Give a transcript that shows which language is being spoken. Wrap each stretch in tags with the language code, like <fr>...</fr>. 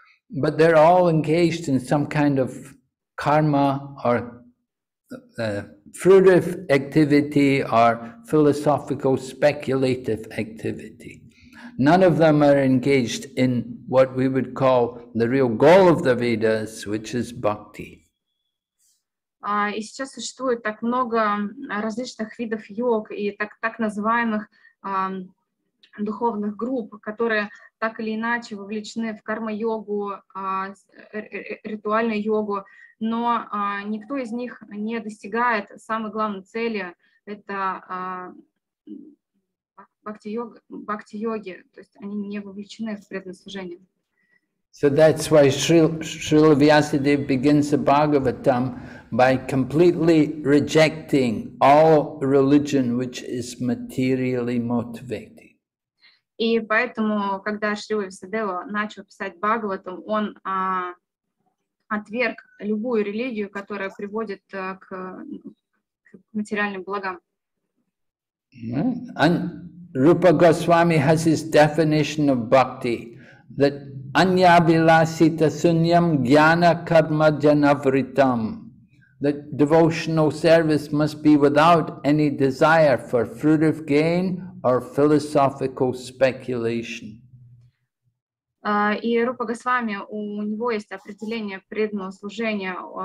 <en>But they're all engaged in some kind of karma or fruitive activity or philosophical speculative activity. None of them are engaged in what we would call the real goal of the Vedas, which is bhakti.</en> <ru>И сейчас существует так много различных видов йог и так называемых духовных групп, которые так или иначе вовлечены в карма-йогу, ритуальную йогу, но никто из них не достигает самой главной цели — это бхакти-йоги, то есть они не вовлечены в преданное служение.</ru> <en>So that's why Srila Vyasadeva begins the Bhagavatam by completely rejecting all religion which is materially motivated.</en> <ru>И поэтому, когда Шрила Висадева начал писать Бхагаватам, он отверг любую религию, которая приводит к материальным благам.</ru> <en>And Rupa Goswami has his definition of bhakti, that</en> <sa>anya vilasita sunyam jnana karma janavritam,</sa> <en>that devotional service must be without any desire for fruitive gain or philosophical speculation.</en> <ru>И Рупа Госвами, у него есть определение преданного служения.</ru>